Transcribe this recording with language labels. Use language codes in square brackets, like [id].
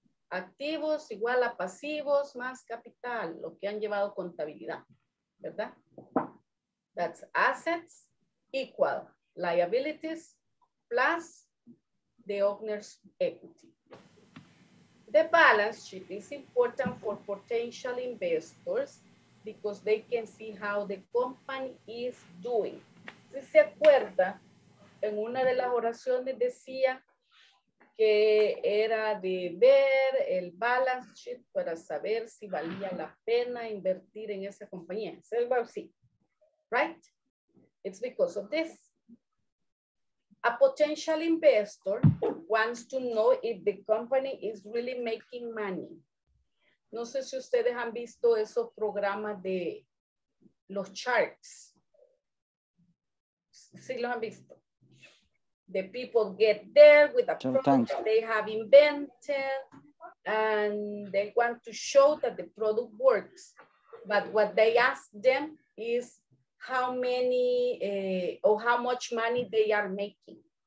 [es] Activos igual a pasivos más capital, lo que han llevado contabilidad, ¿verdad? [en] That's assets equal liabilities plus the owner's equity. The balance sheet is important for potential investors because they can see how the company is doing. [es] Si se acuerda, en una de las oraciones decía que era de ver el balance sheet para saber si valía la pena invertir en esa compañía. [en] Right? It's because of this. A potential investor wants to know if the company is really making money. [es] No sé si ustedes han visto esos programas de los charts. Sí los han visto. [en] The people get there with a product they have invented and they want to show that the product works. But what they ask them is how many or how much money they are making.